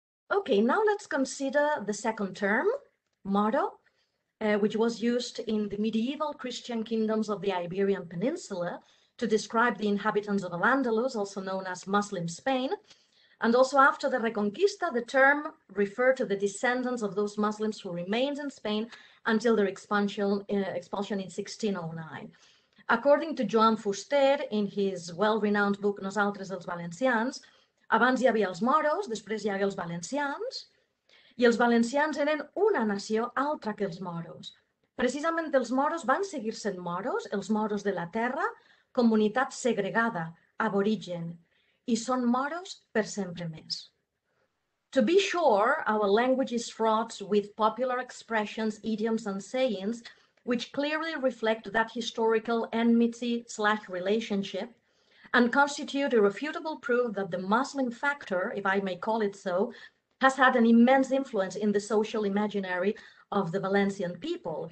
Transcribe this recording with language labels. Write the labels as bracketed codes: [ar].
[en] Okay, now let's consider the second term, moro, which was used in the medieval Christian kingdoms of the Iberian Peninsula to describe the inhabitants of Al-Andalus, also known as Muslim Spain. And also after the Reconquista, the term referred to the descendants of those Muslims who remained in Spain until their expulsion in 1609. According to Joan Fuster, in his well-renowned book, [ca] Nosaltres els Valencians, abans hi havia els moros, després hi havia els valencians, i els valencians eren una nació altra que els moros. Precisament els moros van seguir sent moros, els moros de la terra, comunitat segregada, aborigen, i són moros per sempre més. [en] To be sure, our language is fraught with popular expressions, idioms and sayings, which clearly reflect that historical enmity slash relationship and constitute irrefutable proof that the Muslim factor, if I may call it so, has had an immense influence in the social imaginary of the Valencian people.